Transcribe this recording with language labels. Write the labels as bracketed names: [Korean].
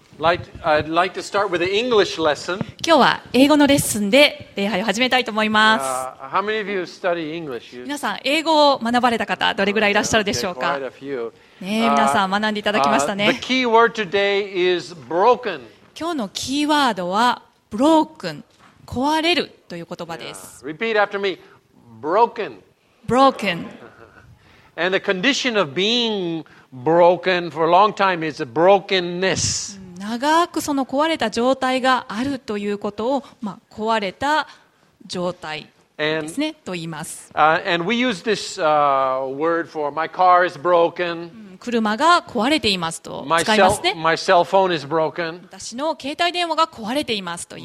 [English] I'd like to start with an English lesson. [Japanese] 今日は英語のレッスンで礼拝を始めたいと思います。 [English] How many of you study English? [Japanese] 皆さん、英語を学ばれた方、どれぐらいいらっしゃるでしょうか？ [English] Okay, quite a few. [Japanese] 皆さん、学んでいただきましたね。 [English] The key word today is broken. [Japanese] 今日のキーワードは、broken、壊れるという言葉です。 [English] Yeah. Repeat after me. Broken. Broken. And the condition of being broken for a long time is a brokenness. [Japanese] 長くその壊れた状態があるということを、まあ、壊れた状態ですね、と言います。 [English] And we use this word for my car is broken. [Japanese] 車が壊れていますと使いますね。 [English] My cell phone is broken. [Japanese] 私の携帯電話が壊れていますと言